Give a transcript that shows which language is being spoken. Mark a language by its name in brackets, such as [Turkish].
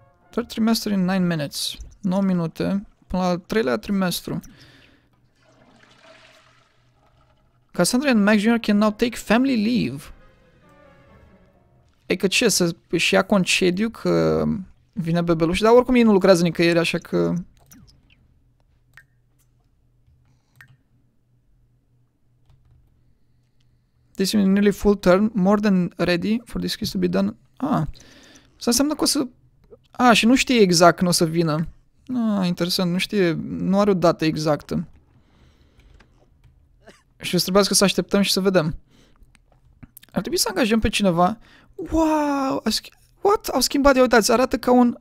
[English] Third trimester in 9 minutes. 9 minute. [Romanian] Până la treilea trimestru. [English] Cassandra and Max Jr. can now take family leave. [Romanian] Ei, că ce, să-și ia concediu că vine bebeluș? Dar oricum ei nu lucrează nicăieri, așa că... [English] This is nearly full turn, more than ready for this case to be done. [Romanian] Ah, să înseamnă că o să... Ah, și nu știe exact când o să vină. Ah, interesant, nu știe, nu are o dată exactă. Și o să trebuiască să așteptăm și să vedem. Ar trebui să angajăm pe cineva. [English] Wow, what? [Romanian] Au schimbat, ia uitați, arată ca un...